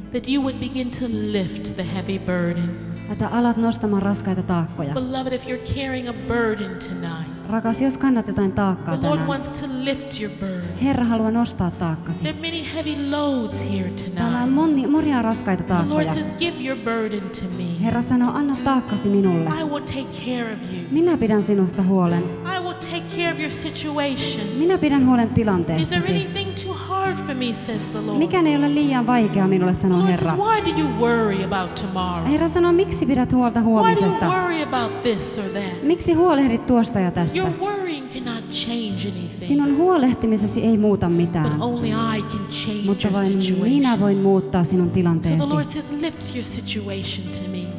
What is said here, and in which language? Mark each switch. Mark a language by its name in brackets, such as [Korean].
[English] That you would begin to lift the heavy burdens. [Finnish] Että alat nostamaan raskaita taakkoja. [English] Beloved, if you're carrying a burden tonight. [Finnish] Rakas, jos kannat jotain taakkaa tänään. [English] The Lord wants to lift your burden. [Finnish] Herra haluaa nostaa taakkasi. [English] There are many heavy loads here tonight. [Finnish] Täällä on monia raskaita taakkoja. [English] The Lord says, give your burden to me. [Finnish] Herra sanoo, anna taakkasi minulle. [English] I will take care of you. [Finnish] Minä pidän sinusta huolen. [English] I will take care of your situation. [Finnish] Minä pidän huolen tilanteesta. [English] Is there anything too hard for me, says the Lord? [Finnish] Mikään ei ole liian vaikea minulle, sanoo Herra. [English] Lord says, why do you worry about tomorrow? [Finnish] Herra sanoo, miksi pidät huolta huomisesta? [English] Why do you worry about this or that? [Finnish] Miksi huolehdit tuosta ja tästä? [English] Your worrying cannot change anything. [Finnish] Sinun huolehtimisesi ei muuta mitään. [English] But only I can change. [Finnish] Mutta vain minä voin muuttaa sinun tilanteesi. [English] So the Lord says, lift your situation to me.